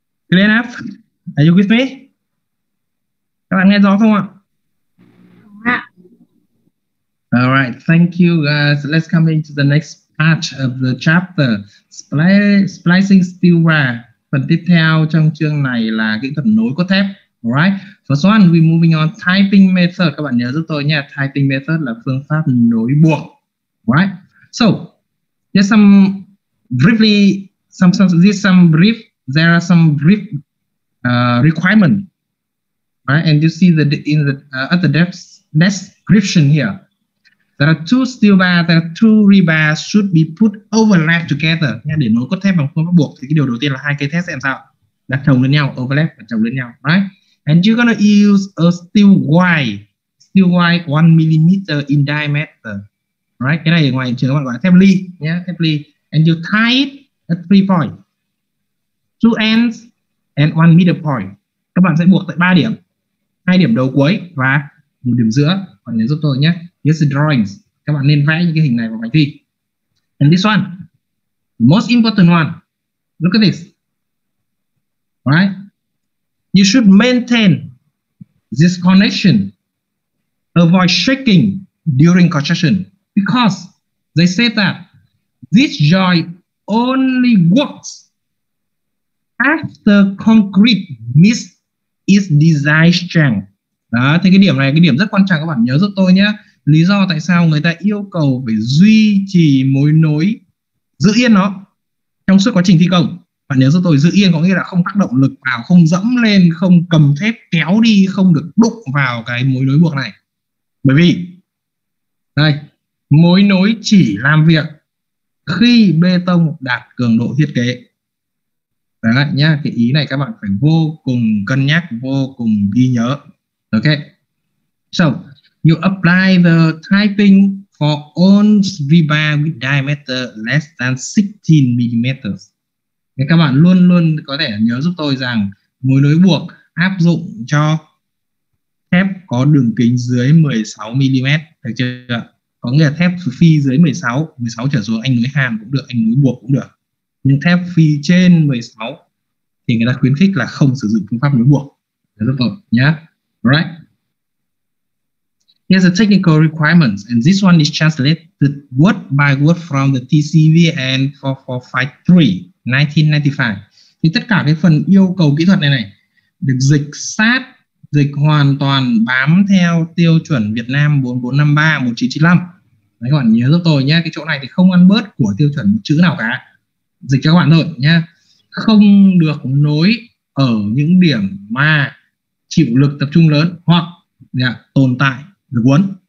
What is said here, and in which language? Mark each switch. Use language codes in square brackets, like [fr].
[en] Good enough? Are you with me? [vi] Các bạn nghe rõ không ạ? [en] All right, thank you guys. Let's come into the next part of the chapter. Splicing steel wire. [vi] Phần tiếp theo trong chương này là kỹ thuật nối cốt thép. [en] All right. First one, we're moving on. Typing method. [vi] Các bạn nhớ giúp tôi nha. Typing method là phương pháp nối buộc. [en] All right. So, just some brief requirement, right? And you see that in the at the description here, there are two steel bars, there are two rebar should be put overlap together. [vi] Yeah, để nối cốt thép bằng phương pháp buộc thì cái điều đầu tiên là hai cây thép sẽ làm sao đặt chồng lên nhau, overlap và chồng lên nhau, right? [en] And you're gonna use a steel wire 1 millimeter in diameter, right? [vi] Cái này ở ngoài trường các bạn gọi là thép ly, yeah, thép ly. [en] And you tie it at 3 points, 2 ends and 1 middle point. [vi] Các bạn sẽ buộc tại 3 điểm, 2 điểm đầu cuối và 1 điểm giữa. Còn nhớ giúp tôi nhé. [en] Here's the drawings. [vi] Các bạn nên vẽ những cái hình này vào bài thi. [en] And this one, most important one. Look at this. Right? You should maintain this connection. Avoid shaking during construction because they say that this joint only works after concrete meets its design strength. [vi] Đó, thì cái điểm này cái điểm rất quan trọng, các bạn nhớ giúp tôi nhé. Lý do tại sao người ta yêu cầu phải duy trì mối nối giữ yên nó trong suốt quá trình thi công. Bạn nhớ giúp tôi, giữ yên có nghĩa là không tác động lực vào, không dẫm lên, không cầm thép kéo đi, không được đụng vào cái mối nối buộc này. Bởi vì đây, mối nối chỉ làm việc khi bê tông đạt cường độ thiết kế. Đấy lại nhá, cái ý này các bạn phải vô cùng cân nhắc, vô cùng ghi nhớ. [en] Ok. So, you apply the typing for all rebar with diameter less than 16 mm. [vi] Thì các bạn luôn luôn có thể nhớ giúp tôi rằng mối nối buộc áp dụng cho thép có đường kính dưới 16 mm, được chưa? Có nghĩa là thép phi dưới 16 trở xuống anh nối hàn cũng được, anh nối buộc cũng được. Nhưng thép phi trên 16 thì người ta khuyến khích là không sử dụng phương pháp nối buộc. Rất tốt nhá. Right. [en] Here's the technical requirements and this one is translated word by word from the TCVN 4453 1995. [vi] Thì tất cả cái phần yêu cầu kỹ thuật này này được dịch sát, dịch hoàn toàn bám theo tiêu chuẩn Việt Nam 4453-1995. Đấy, các bạn nhớ giúp tôi nhé, cái chỗ này thì không ăn bớt của tiêu chuẩn chữ nào cả. Dịch cho các bạn thôi nhé. Không được nối ở những điểm mà chịu lực tập trung lớn hoặc tồn tại lực uốn.